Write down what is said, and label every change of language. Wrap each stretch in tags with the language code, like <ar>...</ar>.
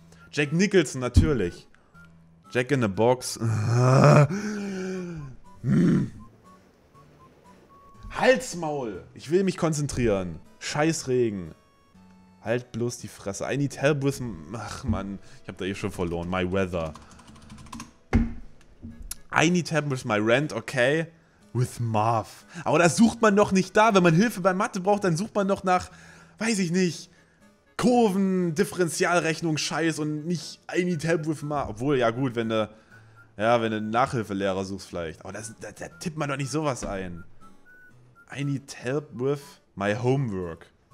<de>Jack Nicholson, natürlich. Jack in the Box. Halsmaul! Ich will mich konzentrieren. Scheißregen. Halt bloß die Fresse.</de> <en>I need help with...</en> <de>Ach, Mann. Ich hab da eh schon verloren.</de> <en>My weather. I need help with my rent, okay? With Marv.</en> <de>Aber das sucht man doch nicht da. Wenn man Hilfe bei Mathe braucht, dann sucht man doch nach... Weiß ich nicht. Kurven, Differentialrechnung, Scheiß und nicht</de> <en>I need help with Marv.</en> <de>Obwohl, ja gut, wenn du... Ja, wenn du einen Nachhilfelehrer suchst vielleicht. Aber da tippt man doch nicht sowas ein.</de> <en>I need help with my homework.</en>